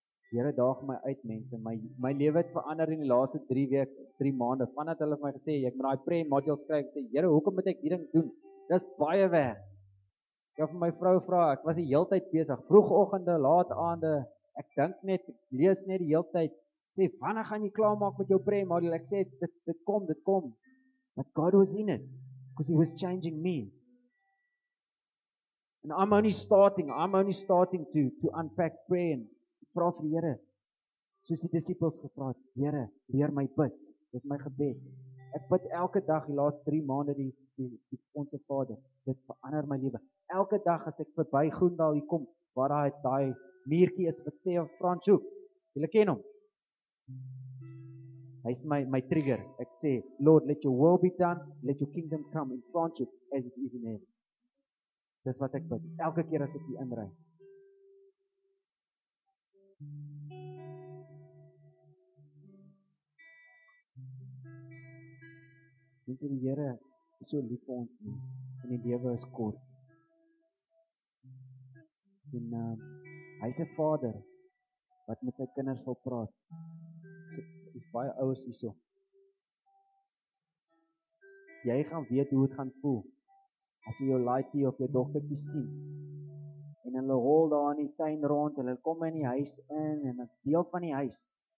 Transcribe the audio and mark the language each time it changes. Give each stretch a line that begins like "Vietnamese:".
Afrikaans: Die Here daag my uit, mense. My lewe het verander in die laaste 3 maande. Vandat hulle vir my gesê, ek moet daai prayer module skryf, sê Here, hoekom moet ek hierdie ding doen? Dis baie werk. Ek het my vrou vra, ek was die hele tyd besig, vroegoggende, laat aande. Ek dink net, ek lees net die hele tyd. Sê, wanneer gaan jy klaar maak met jou prayer module? Ek sê dit kom.
English: But God was in it, because He was changing me. And I'm only starting to unpack prayer and
Afrikaans: vra vir die Here. Soos die disciples gevra het, Here, leer my bid. Dis my gebed. Ek bid elke dag die laaste 3 maande die onsse Vader. Dit verander my lewe. Elke dag as ek verby Groendal hier kom, waar daai muurtjie is wat sê Franso, jy ken hom. Hy's my trigger. Ek sê,
English: Lord, let your will be done, let your kingdom come in Franso as it is in heaven.
Afrikaans: Dis wat ek bid. Elke keer as ek hier inry. Mense, die Here is so lief vir ons nie. En die lewe is kort. En hy is 'n vader wat met sy kinders wil praat. Is baie ouers hierso. Jy gaan weet hoe het gaan voel. As jy jou laaitjie of jou dogtertjie sien en hulle hol daar in die tuin rond, hulle kom in die huis in en dit is deel van die huis.